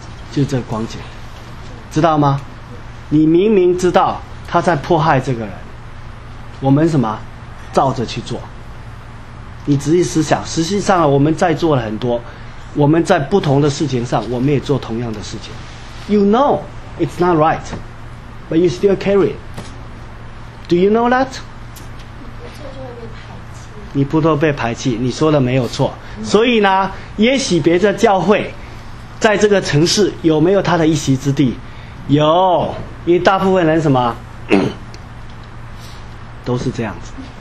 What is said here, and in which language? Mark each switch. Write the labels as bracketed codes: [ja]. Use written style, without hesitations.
[zh] 就这光景，知道吗？你明明知道他在迫害这个人，我们什么照着去做。你仔细思想，实际上我们在做了很多，我们在不同的事情上我们也做同样的事情。 [en] You know it's not right but you still carry it. Do you know that? [zh] 你不都被排挤，你说的没有错。所以呢，耶洗别的教会在这个城市有没有他的一席之地？有，因为大部分人什么都是这样子。